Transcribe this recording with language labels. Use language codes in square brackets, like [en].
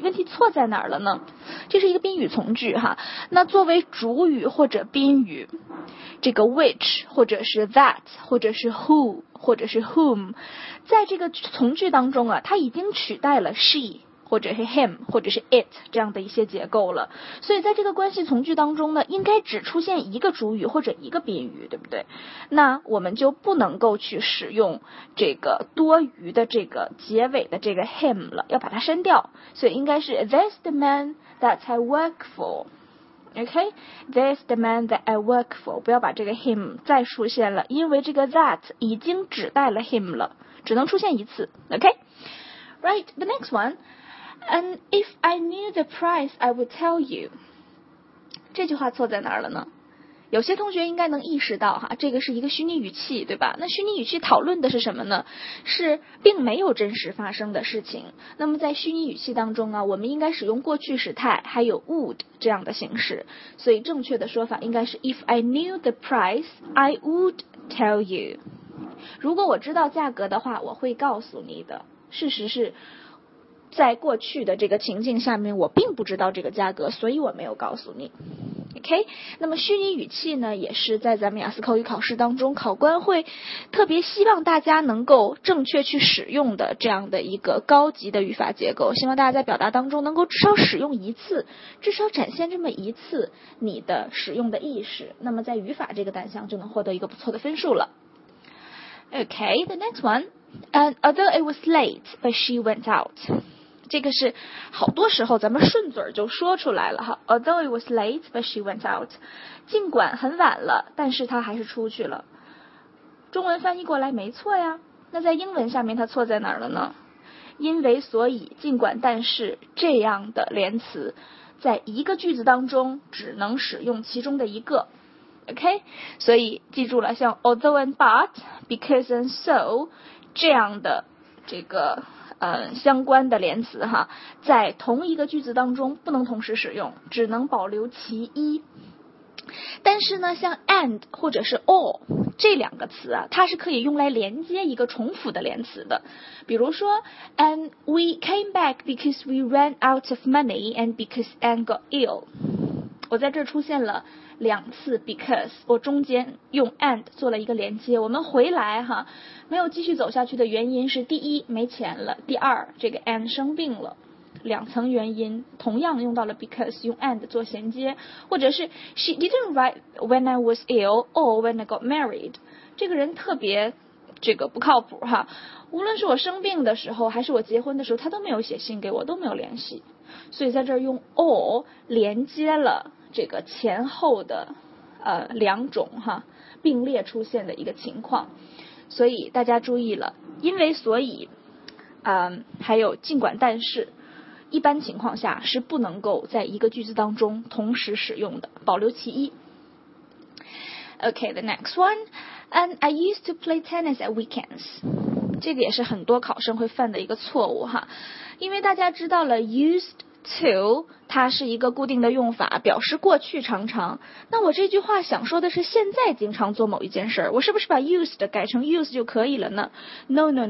[zh] 问题错在哪儿了呢？这是一个宾语从句哈。那作为主语或者宾语，这个 which 或者是 that 或者是 who 或者是 whom， 在这个从句当中啊，它已经取代了 she 或者是 him 或者是 it 这样的一些结构了。所以在这个关系从句当中呢，应该只出现一个主语或者一个宾语，对不对？那我们就不能够去使用这个多余的这个结尾的这个 him 了，要把它删掉。所以应该是 [en] That's the man that I work for。 Okay, there's the man that I work for. [zh] 不要把这个 him 再出现了，因为这个 that 已经指代了 him 了，只能出现一次。 [en] Okay, right, the next one. And if I knew the price, I would tell you. [zh] 这句话错在哪儿了呢？有些同学应该能意识到哈，这个是一个虚拟语气，对吧？那虚拟语气讨论的是什么呢？是并没有真实发生的事情。那么在虚拟语气当中啊，我们应该使用过去时态，还有 would 这样的形式。所以正确的说法应该是 [en] If I knew the price, I would tell you. [zh] 如果我知道价格的话，我会告诉你的。事实是在过去的这个情境下面，我并不知道这个价格，所以我没有告诉你。 OK， 那么虚拟语气呢，也是在咱们雅思口语考试当中，考官会特别希望大家能够正确去使用的这样的一个高级的语法结构。希望大家在表达当中能够至少使用一次，至少展现这么一次你的使用的意识，那么在语法这个单项就能获得一个不错的分数了。 [en] OK, the next one. And although it was late, but she went out. [zh] 这个是好多时候咱们顺嘴就说出来了哈。 [en] Although it was late, but she went out. [zh] 尽管很晚了，但是她还是出去了。中文翻译过来没错呀。那在英文下面它错在哪儿了呢？因为、所以、尽管、但是这样的连词，在一个句子当中只能使用其中的一个。 OK， 所以记住了，像 although and but, because and so 这样的这个相关的连词哈，在同一个句子当中不能同时使用，只能保留其一。但是呢，像 and 或者是 all 这两个词啊，它是可以用来连接一个重复的连词的。比如说 [en] ，and we came back because we ran out of money and because Anne got ill。 [zh] 我在这出现了两次 because， 我中间用 and 做了一个连接。我们回来哈，没有继续走下去的原因是：第一，没钱了；第二，这个 Anne 生病了。两层原因同样用到了 because， 用 and 做衔接，或者是 [en] she didn't write when I was ill or when I got married， [zh] 这个人特别这个不靠谱哈，无论是我生病的时候还是我结婚的时候他都没有写信给我，都没有联系，所以在这儿用 or 连接了这个前后的两种哈并列出现的一个情况。所以大家注意了，因为所以还有尽管但是一般情况下是不能够在一个句子当中同时使用的，保留其一。 [en] OK, the next one. And I used to play tennis at weekends. [zh] 这个也是很多考生会犯的一个错误哈，因为大家知道了 used to 它是一个固定的用法，表示过去常常。那我这句话想说的是现在经常做某一件事，我是不是把 used 改成 use 就可以了呢？ [en] No.